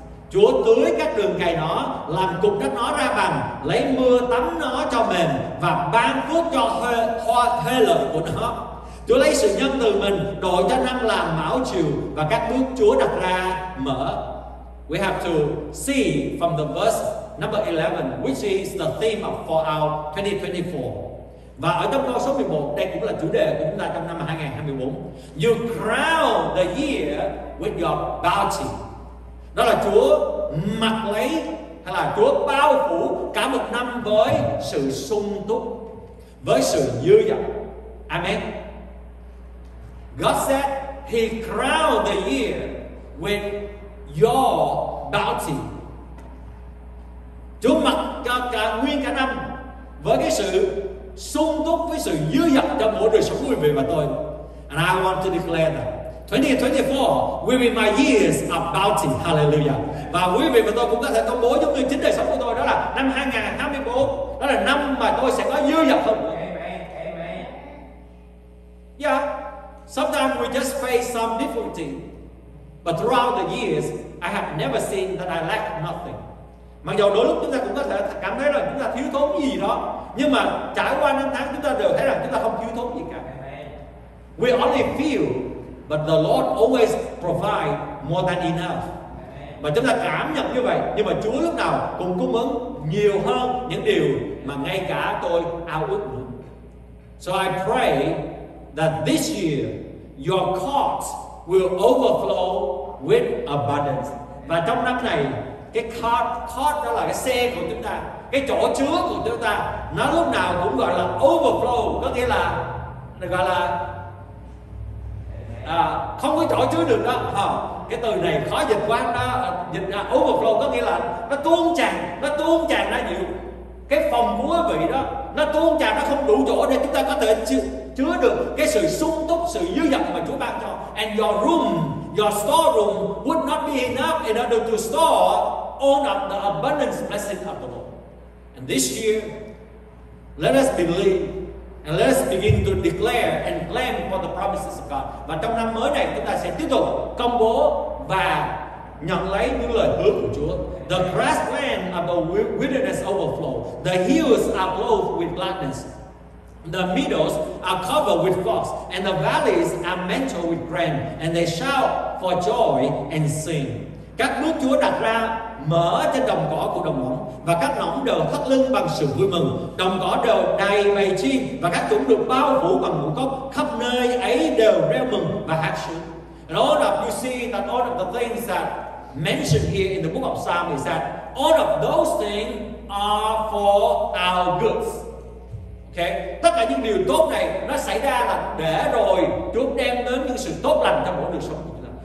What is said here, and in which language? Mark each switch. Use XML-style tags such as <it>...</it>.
<vi>Chúa tưới các đường cày nó, làm cục đất nó ra bằng, lấy mưa tắm nó cho mềm và ban phước cho hoa lợi của nó. Chúa lấy sự nhân từ mình đổ cho năm làm mão chiều và các bước Chúa đặt ra mở.</vi> <en>We have to see from the verse number 11, which is the theme of for our 2024.</en> <vi>Và ở trong câu số 11, đây cũng là chủ đề của chúng ta trong năm 2024.</vi> <en>You crown the year with your bounty.</en> <vi>Đó là Chúa mặc lấy hay là Chúa bao phủ cả một năm với sự sung túc, với sự dư dật. Amen.</vi> <en>God said He crowned the year with your bounty.</en> <vi>Chúa mặc cho cả nguyên cả năm với cái sự sung túc, với sự dư dật cho mỗi đời sống của quý vị và tôi.</vi> <en>And I want to declare that 2024 will be my years of bounty. Hallelujah.</en> <vi>Và quý vị và tôi cũng có thể công bố giống như chính đời sống của tôi, đó là năm 2024, đó là năm mà tôi sẽ có dư dật hơn. Amen.</vi> <en>Yeah. Sometimes we just face some difficulty. But throughout the years, I have never seen that I lack nothing.</en> <vi>Mặc dù đôi lúc chúng ta cũng có thể cảm thấy là chúng ta thiếu thốn gì đó, nhưng mà trải qua năm tháng chúng ta đều thấy rằng chúng ta không thiếu thốn gì cả. Amen.</vi> <en>We only feel, but the Lord always provide more than enough.</en> <vi>Mà chúng ta cảm nhận như vậy, nhưng mà Chúa lúc nào cũng cung ứng nhiều hơn những điều mà ngay cả tôi ao ước muốn.</vi> <en>So I pray that this year your courts will overflow with abundance.</en> <vi>Và trong năm này, cái court đó là cái xe của chúng ta, cái chỗ chứa của chúng ta, nó lúc nào cũng gọi là overflow, có nghĩa là gọi là không có chỗ chứa được đó. Cái từ này khó dịch quá đó. Dịch overflow có nghĩa là nó tuôn tràn ra nhiều cái phòng của vị đó, nó tuôn tràn, nó không đủ chỗ để chúng ta có thể chứa được cái sự sung túc, sự dư dật mà Chúa ban cho.</vi> <en>And your storeroom would not be enough in order to store all of the abundance blessing of the Lord. And this year Let us believe and let us begin to declare and claim for the promises of God.</en> <vi>Và trong năm mới này chúng ta sẽ tiếp tục công bố và nhận lấy những lời hứa của Chúa.</vi> <en>The grassland of the wilderness overflow. The hills are clothed with gladness. The meadows are covered with flocks, and the valleys are mantled with grain, and they shout for joy and sing.</en> <vi>Các nước Chúa đặt ra mở trên đồng cỏ của đồng ruộng, và các nõng đều thắt lưng bằng sự vui mừng. Đồng cỏ đều đầy bầy chiên, và các chúng được bao phủ bằng ngũ cốc. Khắp nơi ấy đều reo mừng và hát sướng.</vi> <en>And all of you see that all of the things that mentioned here in the book of Psalms is that all of those things are for our goods. Okay.</en> <vi>Tất cả những điều tốt này nó xảy ra là để rồi Chúa đem đến những sự tốt lành trong mỗi đời sống của chúng ta.</vi>